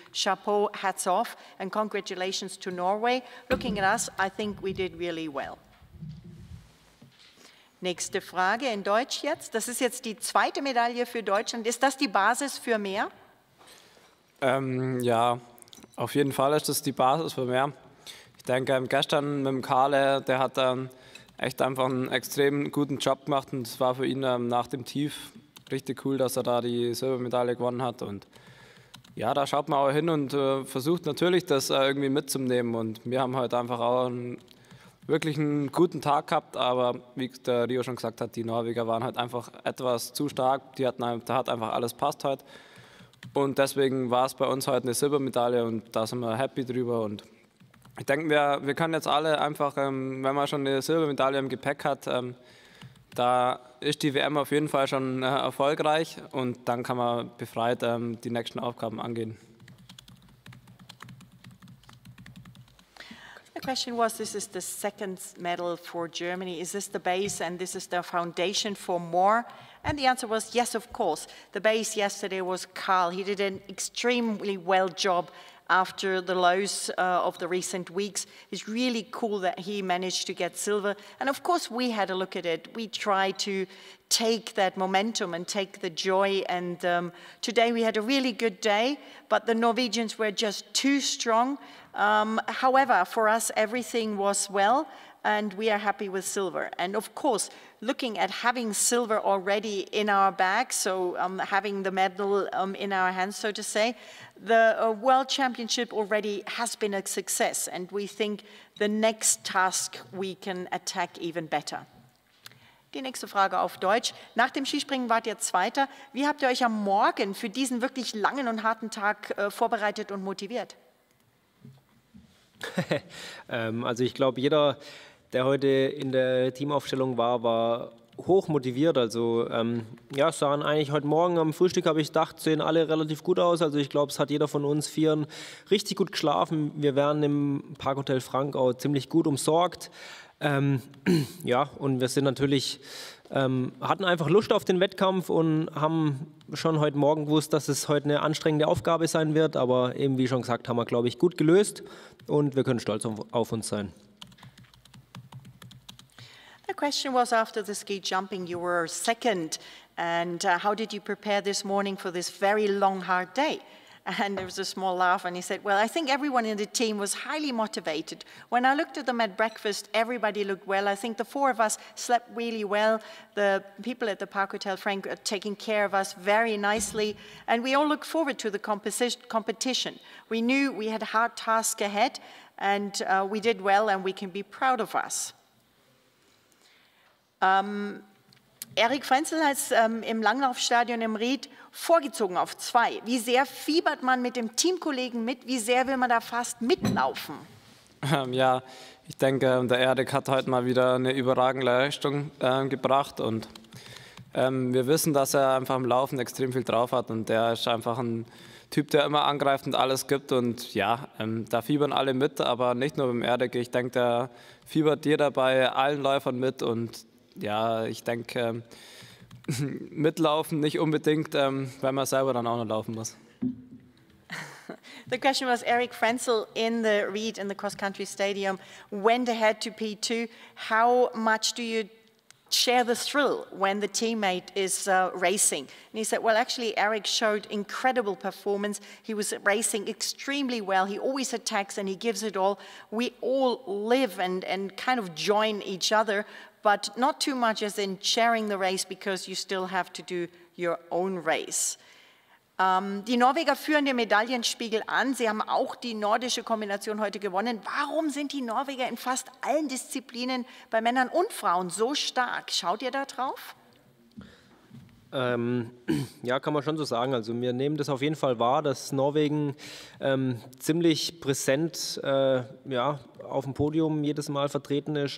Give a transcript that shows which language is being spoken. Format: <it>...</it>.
<en>Chapeau, hats off, and congratulations to Norway. Looking at us, I think we did really well.</en> <de>Nächste Frage in Deutsch jetzt. Das ist jetzt die zweite Medaille für Deutschland. Ist das die Basis für mehr? Ja, auf jeden Fall ist das die Basis für mehr. Ich denke, gestern mit dem Kale, der hat dann echt einfach einen extrem guten Job gemacht und es war für ihn nach dem Tief richtig cool, dass er da die Silbermedaille gewonnen hat. Und ja, da schaut man auch hin und versucht natürlich, das irgendwie mitzunehmen. Und wir haben heute einfach auch wirklich einen guten Tag gehabt. Aber wie der Rio schon gesagt hat, die Norweger waren halt einfach etwas zu stark. Da hat einfach alles passt heute. Und deswegen war es bei uns heute eine Silbermedaille und da sind wir happy drüber. Und ich denke, wir können jetzt alle einfach, wenn man schon eine Silbermedaille im Gepäck hat, da ist die WM auf jeden Fall schon erfolgreich und dann kann man befreit die nächsten Aufgaben angehen.</de> <en>The question was, this is the second medal for Germany. Is this the base and this is the foundation for more? And the answer was yes, of course. The base yesterday was Karl. He did an extremely well job after the lows of the recent weeks. It's really cool that he managed to get silver. And of course, we had a look at it. We tried to take that momentum and take the joy. And today we had a really good day, but the Norwegians were just too strong. However, for us, everything was well, and we are happy with silver. And of course, looking at having silver already in our bag, so having the medal in our hands, so to say, the World Championship already has been a success, and we think the next task we can attack even better.</en> <de>Die nächste Frage auf Deutsch. Nach dem Skispringen wart ihr Zweiter. Wie habt ihr euch am Morgen für diesen wirklich langen und harten Tag vorbereitet und motiviert? Also ich glaube, jeder, der heute in der Teamaufstellung war, war hoch motiviert. Also ja, es sahen eigentlich heute Morgen am Frühstück, habe ich gedacht, sehen alle relativ gut aus. Also ich glaube, es hat jeder von uns Vieren richtig gut geschlafen. Wir werden im Parkhotel Frank auch ziemlich gut umsorgt. Ja, und wir sind natürlich, hatten einfach Lust auf den Wettkampf und haben schon heute Morgen gewusst, dass es heute eine anstrengende Aufgabe sein wird. Aber eben, wie schon gesagt, haben wir, glaube ich, gut gelöst und wir können stolz auf uns sein.</de> <en>The question was, after the ski jumping, you were second, and how did you prepare this morning for this very long, hard day? And there was a small laugh, and he said, well, I think everyone in the team was highly motivated. When I looked at them at breakfast, everybody looked well. I think the four of us slept really well. The people at the Park Hotel Frank are taking care of us very nicely, and we all looked forward to the competition. We knew we had a hard task ahead, and we did well, and we can be proud of us.</en> <de>Erik Frenzel hat im Langlaufstadion im Ried vorgezogen auf 2. Wie sehr fiebert man mit dem Teamkollegen mit? Wie sehr will man da fast mitlaufen? Ja, ich denke, der Erik hat heute mal wieder eine überragende Leistung gebracht. Und wir wissen, dass er einfach im Laufen extrem viel drauf hat. Und der ist einfach ein Typ, der immer angreift und alles gibt. Und ja, da fiebern alle mit, aber nicht nur beim Erik. Ich denke, der fiebert jeder bei allen Läufern mit. Und ja, ich denke, mitlaufen nicht unbedingt, weil man selber dann auch noch laufen muss. The question was, Erik Frenzel in the Ried in the cross country stadium went ahead to P2. How much do you share the thrill when the teammate is racing? And he said, well, actually, Erik showed incredible performance. He was racing extremely well. He always attacks and he gives it all. We all live and kind of join each other, but not too much as in sharing the race because you still have to do your own race. Die Norweger führen den Medaillenspiegel an. Sie haben auch die nordische Kombination heute gewonnen. Warum sind die Norweger in fast allen Disziplinen bei Männern und Frauen so stark? Schaut ihr da drauf? Ja, kann man schon so sagen. Also wir nehmen das auf jeden Fall wahr, dass Norwegen ziemlich präsent auf dem Podium jedes Mal vertreten ist.</de>